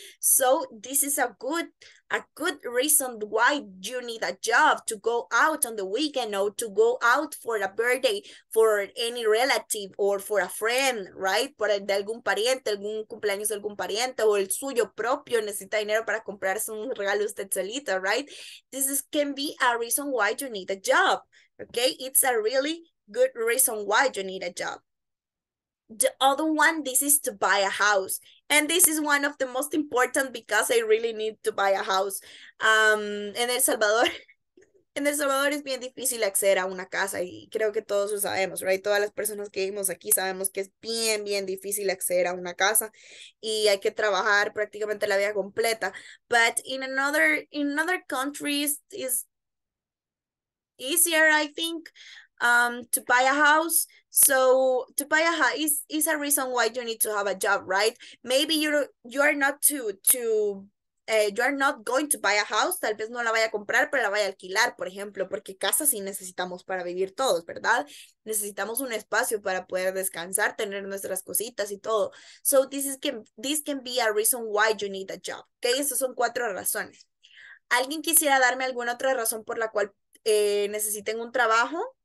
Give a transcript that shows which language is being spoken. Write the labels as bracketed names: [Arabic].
[English] So this is a good reason why you need a job, to go out on the weekend or to go out for a birthday for any relative or for a friend, right? [Spanish] Por el de algún pariente, algún cumpleaños de algún pariente o el suyo propio necesita dinero para comprarse un regalo usted solita, right? [English] This is, can be a reason why you need a job, okay? It's a really good reason why you need a job. The other one, this is to buy a house. And this is one of the most important because I really need to buy a house. [Spanish] En El Salvador es bien difícil acceder a una casa y creo que todos lo sabemos, right? Todas las personas que vivimos aquí sabemos que es bien, bien difícil acceder a una casa y hay que trabajar prácticamente la vida completa. [English] But in other countries, easier, I think, to buy a house. So to buy a house is a reason why you need to have a job, right? Maybe you are not going to buy a house, [Spanish] tal vez no la vaya a comprar, pero la vaya a alquilar, por ejemplo, porque casa sí necesitamos para vivir todos, ¿verdad? Necesitamos un espacio para poder descansar, tener nuestras cositas y todo. [English] So this can be a reason why you need a job. [Spanish] Okay, esas son cuatro razones. ¿Alguien quisiera darme alguna otra razón por la cual necesiten un trabajo?